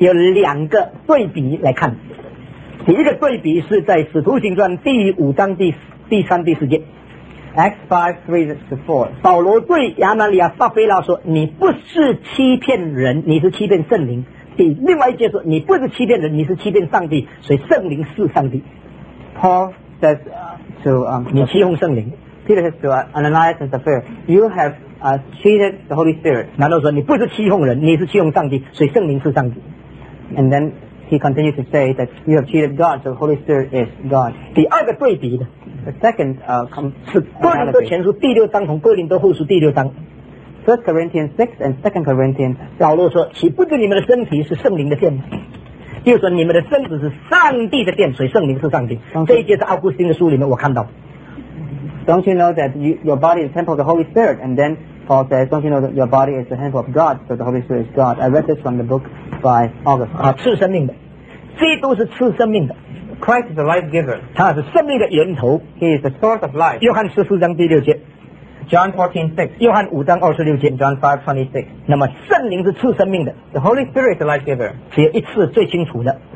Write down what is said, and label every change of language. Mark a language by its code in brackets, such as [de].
[zh] 有两个对比来看第一个对比是在《使徒行传》第五章第三第四节， [en] Acts 5:3-4. [zh] 保罗对亚拿尼亚撒菲拉说：“你不是欺骗人，你是欺骗圣灵。” 比另外一节说：“你不是欺骗人，你是欺骗上帝。” 所以圣灵是上帝。 [en] Paul says to [zh] 你欺哄圣灵。 [en] Peter says to Ananias and Sapphira, "You have cheated the Holy Spirit." [zh] 难道说你不是欺哄人，你是欺哄上帝？所以圣灵是上帝。 [en] And then he continued to say that you have cheated God, so the Holy Spirit is God. [zh] 第二个对比的。 [en] The second [zh] 是哥林多前书第六章同哥林多后书第六章。 [en] First Corinthians 6 and Second Corinthians. [zh] 保罗说：“岂不知你们的身体是圣灵的殿吗？” 就是说你们的身子是上帝的殿，所以圣灵是上帝。这一节在奥古斯丁的书里面我看到。 [en] Don't you know that your body is the temple of the Holy Spirit? And then Paul says, don't you know that your body is the temple of God, so the Holy Spirit is God? I read this from the book by August. [zh] 啊，赐生命的，基督是赐生命的。 [en] Christ is the life giver. [zh] 他是生命的源头。 [en] He is the source of life. [zh] 约翰14:6. [en] John 14:6. [zh] 约翰5:26. [en] John 5:26. [zh] 那么圣灵是赐生命的。 [en] The Holy Spirit is the life giver. [zh] 只有一次最清楚的。